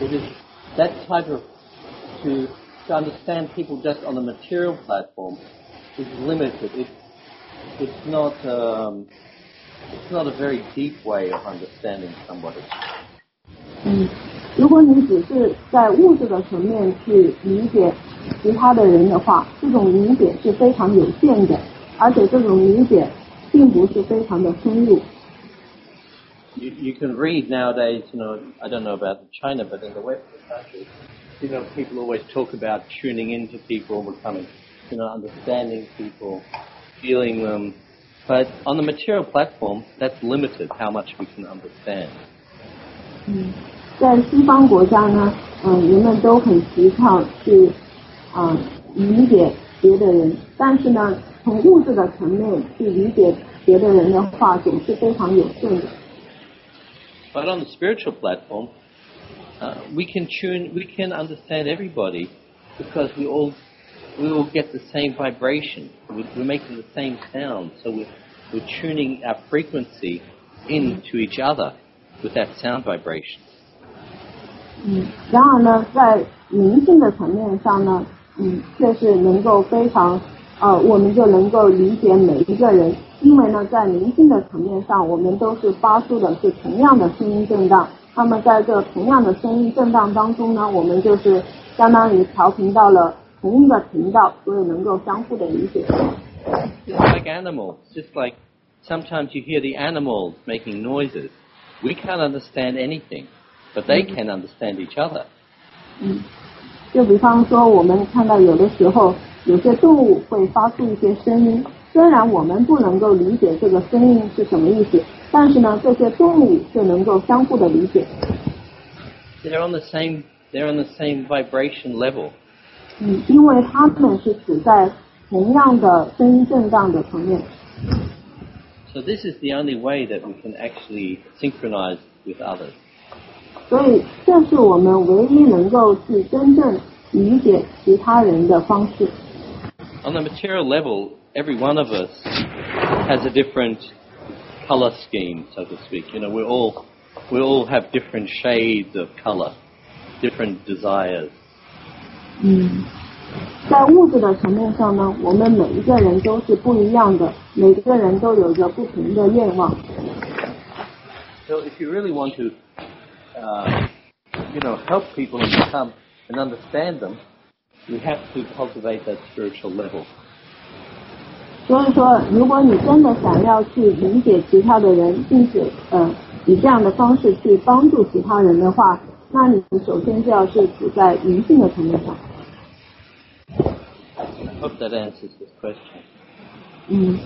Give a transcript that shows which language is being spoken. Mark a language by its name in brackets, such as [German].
[English] It is that type of, to understand people just on the material platform is limited. It's not a very deep way of understanding somebody. [Chinese] 如果你只是在物质的层面去理解其他的人的话，这种理解是非常有限的。 [English] You can read nowadays, you know, I don't know about China, but in the Western countries, you know, people always talk about tuning into people, becoming, you know, understanding people, feeling them, But on the material platform, that's limited how much we can understand. [Chinese] 在西方国家呢，人们都很提倡去理解别的人，但是呢，从物质的层面去理解别的人的话，总是非常有限的。 [English] But on the spiritual platform, we can understand everybody because we all get the same vibration. We're making the same sound, so we're tuning our frequency into each other with that sound vibration. [Chinese] 然而呢，在灵性的层面上呢，确实能够非常，我们就能够理解每一个人。因为呢，在灵性的层面上，我们都是发出的是同样的声音震荡。那么在这同样的声音震荡当中呢，我们就是相当于调频到了同一个频道，所以能够相互的理解。 [English] Just like animals, just like sometimes you hear the animals making noises. We can't understand anything, but they can understand each other. [Chinese] 就比方说，我们看到有的时候有些动物会发出一些声音。虽然我们不能够理解这个声音是什么意思，但是呢，这些动物就能够相互的理解。 [English] They're on the same vibration level. [Chinese] 因为他们是处在同样的声音震荡的层面。 [English] So this is the only way that we can actually synchronize with others. [Chinese] 所以这是我们唯一能够去真正理解其他人的方式。 [English] On the material level. Every one of us has a different color scheme, so to speak. You know, we all have different shades of color, different desires. [Chinese] 在物质的层面上呢，我们每一个人都是不一样的，每个人都有着不同的愿望。 [English] So if you really want to, you know, help people and become and understand them, we have to cultivate that spiritual level. [Chinese] 所以说，如果你真的想要去理解其他的人，并且以这样的方式去帮助其他人的话，那你首先就要是处在灵性的层面上。 [English] I hope that answers this question.